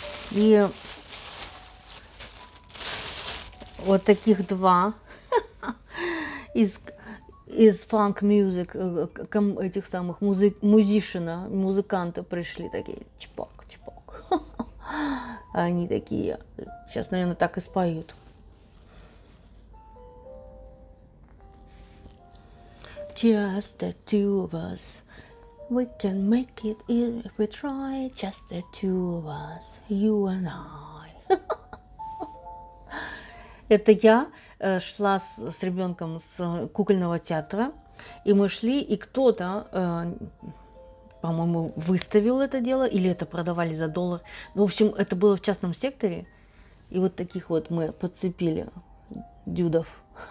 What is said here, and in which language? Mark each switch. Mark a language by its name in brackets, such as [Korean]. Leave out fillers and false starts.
[Russian] И вот таких два из фанк мюзик, этих самых музыканты пришли такие, чпок-чпок. Они такие, сейчас, наверное, так и споют. [English] Just the two of us, we can make it if we try, just the two of us, you and I. [Russian] Это я шла с ребенком с кукольного театра, и мы шли, и кто-то, по-моему, выставил это дело, или это продавали за доллар. Ну, в общем, это было в частном секторе, и вот таких вот мы подцепили дюдов.